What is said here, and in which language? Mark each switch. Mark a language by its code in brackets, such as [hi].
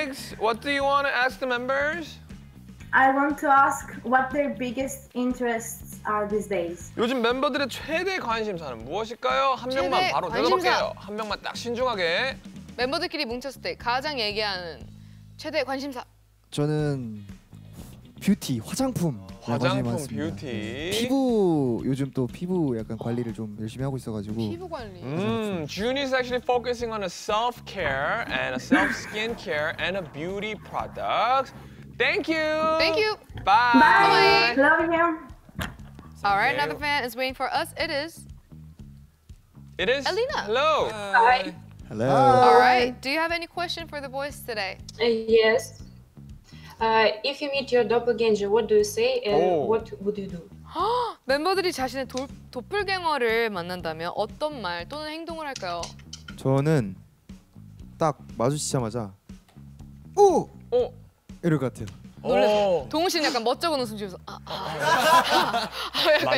[en] Alex, what do you want to ask the members? I want to ask what their biggest interests are these days. [ko] 요즘 멤버들의 최대 관심사는 무엇일까요? 한 명만 바로 대답할게요. 한 명만 딱 신중하게. 멤버들끼리 뭉쳤을 때 가장 얘기하는 최대 관심사. 저는 뷰티, 화장품. 화장품, 뷰티. 피부, 요즘 또 피부 약간 관리를 좀 열심히 하고 있어가지고. 피부 관리. [en] June is actually focusing on a self-care and a self-skincare and a beauty product. Thank you. Thank you. Bye. Bye. Bye. Love you. All right, another fan is waiting for us. It is. It is. Alina. Hello. Hi. Hello. All right. Do you have any question for the boys today? Yes. If you meet your doppelganger, what do you say and what would you do? [ko] 멤버들이 자신의 도플갱어를 만난다면 어떤 말 또는 행동을 할까요? 저는 딱 마주치자마자 오! 오! 이럴 것 같아요. 놀래. 동훈 씨는 약간 멋쩍은 웃음 지면서 약간 맞나?